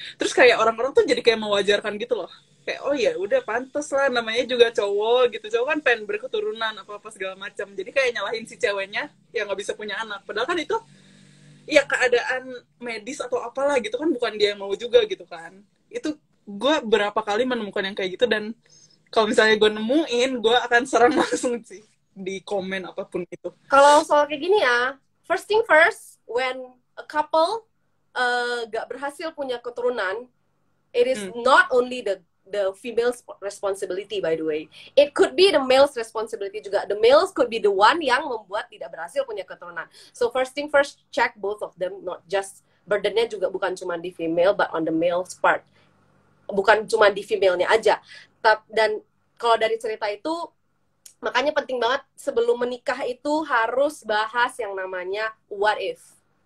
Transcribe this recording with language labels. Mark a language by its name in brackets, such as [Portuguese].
[Indonesian] Terus kayak orang-orang tuh jadi kayak mewajarkan gitu loh, kayak oh ya udah pantas lah, namanya juga cowok gitu, cowok kan pengen berketurunan apa-apa segala macam, jadi kayak nyalahin si ceweknya yang nggak bisa punya anak, padahal kan itu ya keadaan medis atau apalah gitu kan, bukan dia yang mau juga gitu kan. Itu gue berapa kali menemukan yang kayak gitu, dan kalau misalnya gue nemuin, gue akan serang langsung sih di komen apapun itu. [English] Kalau soal kayak gini ya, first thing first, when a couple [Indonesian] gak berhasil punya keturunan, [English] it is not only the female's responsibility, by the way. It could be the male's responsibility juga. The males could be the one [Indonesian] yang membuat tidak berhasil punya keturunan. [English] So first thing first, check both of them, not just burden-nya juga bukan cuma di female, but on the male's part. [Indonesian] Bukan cuma di female-nya aja. Dan kalau dari cerita itu, makanya penting banget sebelum menikah itu harus bahas yang namanya what if.